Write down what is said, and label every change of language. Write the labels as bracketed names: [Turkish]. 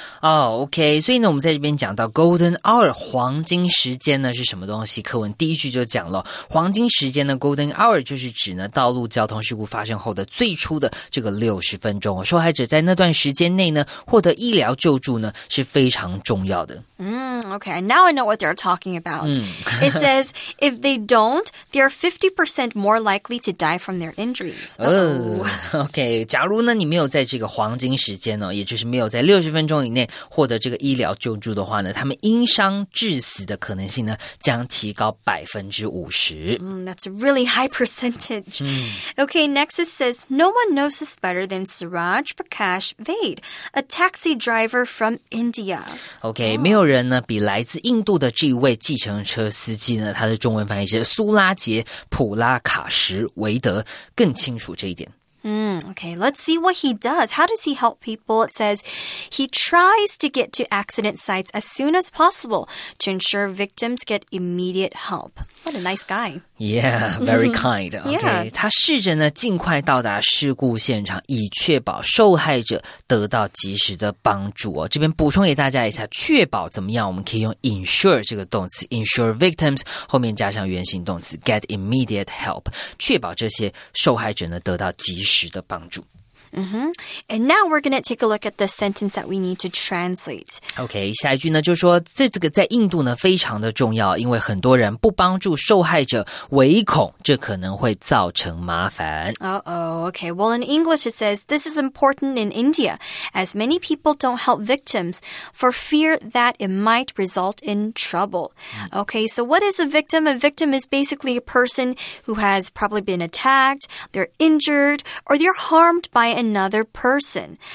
[Chinese] OK, 所以呢我们在这边讲到 Golden Hour, 黄金时间呢是什么东西课文第一句就讲了黄金时间呢 Golden Hour 就是指呢道路交通事故发生后的最初的这个60分钟受害者在那段时间内呢获得医疗救助呢是非常重要的。 [English] OK, now I know what they're talking about. It says, if they don't, they are 50% more likely to die from their injuries. [Chinese] OK, 假如呢你没有在这个黄金时间呢也就是没有在60分钟以内获得这个医疗救助的话呢他们因伤致死的可能性呢将提高 50%. [English] That's a really high percentage. Okay, next it says, no one knows this better than Suraj Prakash Vaid, a taxi driver from India. [Chinese] Okay, 没有人呢比来自印度的这一位计程车司机呢他的中文翻译是苏拉杰普拉卡什维德更清楚这一点。 [English] Okay, let's see what he does. How does he help people? It says he tries to get to accident sites as soon as possible to ensure victims get immediate help. What a nice guy. Yeah, very kind. Okay, yeah. [Chinese] 他试着呢尽快到达事故现场以确保受害者得到及时的帮助、哦、这边补充给大家一下确保怎么样我们可以用 ensure 这个动词 [English] ensure victims [Chinese] 后面加上原形动词 [English] get immediate help [Chinese] 确保这些受害者呢得到及时的帮助 Mm-hmm. [English] And now we're going to take a look at the sentence that we need to translate. [Chinese] Okay, 下一句呢就说这个在印度呢非常的重要，因为很多人不帮助受害者，唯恐这可能会造成麻烦。 [English] Uh-oh, okay. Well, in English it says, this is important in India, as many people don't help victims for fear that it might result in trouble. Okay, so what is a victim? A victim is basically a person who has probably been attacked, they're injured, or they're harmed by another person.